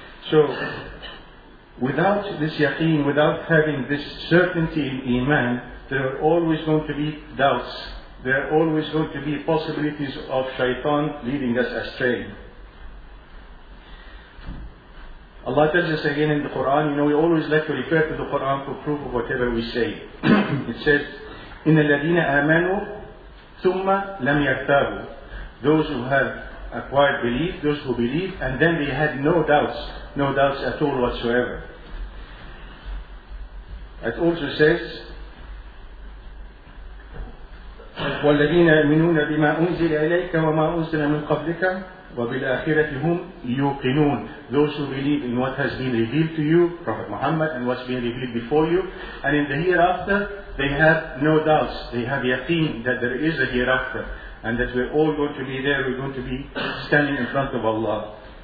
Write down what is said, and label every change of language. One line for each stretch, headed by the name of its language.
English: So, without this yaqeen, without having this certainty in iman, there are always going to be doubts. There are always going to be possibilities of shaitan leading us astray. Allah tells us again in the Quran, you know, we always like to refer to the Quran for proof of whatever we say. It says,
Arabic: إِنَّ الَّذِينَ آمَنُوا ثُمَّ لَمْ يَرْتَابُوا.
English: Those who have acquired belief, those who believe, and then they had no doubts, no doubts at all whatsoever. It also says,
Arabic: وَالَّذِينَ يُؤْمِنُونَ بِمَا أُنزِلَ إِلَيْكَ وَمَا أُنزِلَ مِنْ قَبْلِكَ وَبِالْآخِرَةِ هُمْ يُوقِنُونَ.
English: Those who believe in what has been revealed to you, Prophet Muhammad, and what's been revealed before you, and in the hereafter, they have no doubts, they have yaqeen that there is a hereafter, and that we're all going to be there, we're going to be standing in front of Allah.